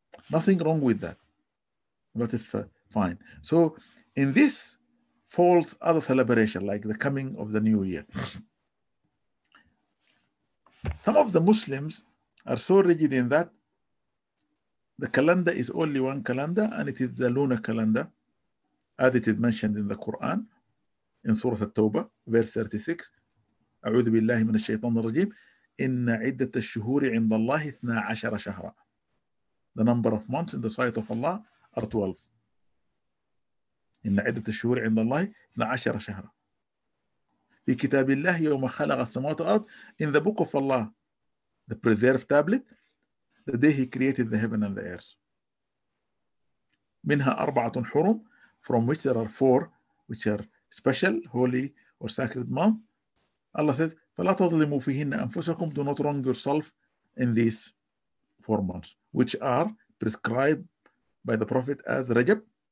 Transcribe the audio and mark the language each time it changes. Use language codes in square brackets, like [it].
[en] Nothing wrong with that. That is fine. So in this false other celebration, like the coming of the new year, some of the Muslims are so rigid in that the calendar is only one calendar, and it is the lunar calendar, as it is mentioned in the Quran, in Surah At-Tawbah, verse 36. [ar] أعوذ بالله من الشيطان الرجيم إن عدة الشهور عند الله 12 شهرا. [en] The number of months in the sight of Allah are 12. [ar] إن عدة الشهور عند الله 12 شهرا. في كتاب الله يوم خلق السماوات والأرض. [en] In the book of Allah, the preserved tablet, the day he created the heaven and the earth. [ar] منها أربعة حرم, [en] from which there are four, which are special, holy or sacred month. Allah says, [ar] فَلَا تَظْلِمُوا فِيهِنَّ أَنفُسَكُمْ [en] Do not wrong yourself in these 4 months, which are prescribed by the Prophet as Rajab.